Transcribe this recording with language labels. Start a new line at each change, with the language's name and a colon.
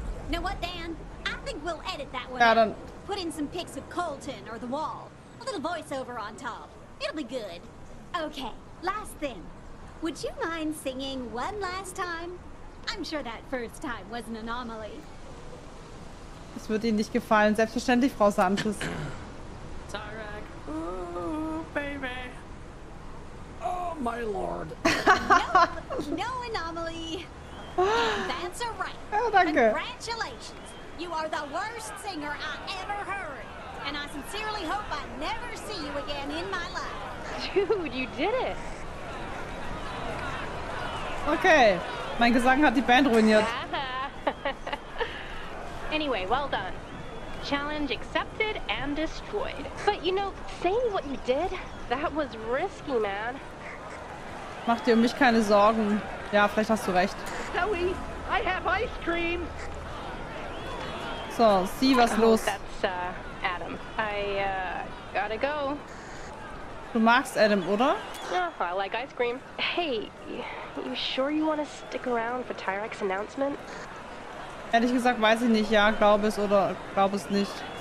English: Know what, Dan? I think we'll edit that one.
German: Ja, dann.
English: Put in some pics of Colton or the wall. A little voiceover on top. It'll be good. Okay, last thing. Would you mind singing one last time? I'm sure that first time was an anomaly.
German: Es wird Ihnen nicht gefallen, selbstverständlich, Frau Sanchez.
English: Tyrak. Ooh, baby. Oh, my lord. No anomaly. That's right.
German: Oh, danke.
English: Congratulations. You are the worst singer I ever heard. And I sincerely hope I never see you again in my life. Dude, you did it.
German: Okay. Mein Gesang hat die Band ruiniert.
English: Anyway, well done. Challenge accepted and destroyed. But you know, saying what you did, that was risky, man.
German: Mach dir um mich keine Sorgen. Ja, vielleicht hast du recht.
English: Zoe, I have ice cream.
German: So, sieh, was los.
English: That's Adam. I gotta go.
German: Du magst Adam, oder?
English: Oh, I like ice cream. Hey, you sure you want to stick around for Tyrak's announcement?
German: Ehrlich gesagt, weiß ich nicht. Ja, glaub es oder glaub es nicht.